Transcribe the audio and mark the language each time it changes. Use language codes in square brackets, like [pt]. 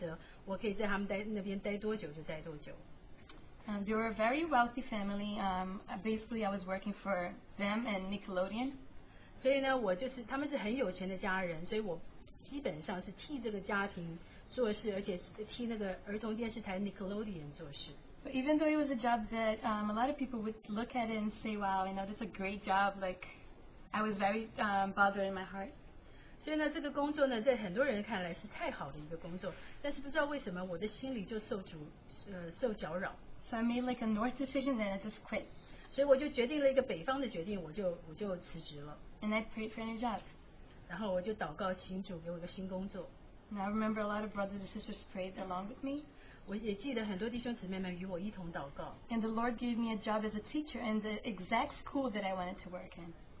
[zh] 那时候我在一个家里当私人辅导，然后这个家庭可以给我自由的选择，我可以在他们待那边待多久就待多久。 [en] They were a very wealthy family. Basically, I was working for them and Nickelodeon. [zh] 所以呢,我就是,他们是很有钱的家人,所以我基本上是替这个家庭做事,而且替那个儿童电视台 Nickelodeon做事。 [en] But even though it was a job that a lot of people would look at it and say, wow, you know, that's a great job, like, I was very bothered in my heart. [zh] 所以呢,这个工作呢,在很多人看来是太好的一个工作,但是不知道为什么我的心里就受阻,受搅扰。 [en] So I made like a north decision and I just quit. [zh] 所以我就决定了一个北方的决定,我就辞职了。 [en] And I prayed for a new job. [zh] 然后我就祷告请主给我一个新工作。 [en] I remember a lot of brothers and sisters prayed along with me. [zh] 我也记得很多弟兄姊妹们与我一同祷告。 [en] And the Lord gave me a job as a teacher in the exact school that I wanted to work in.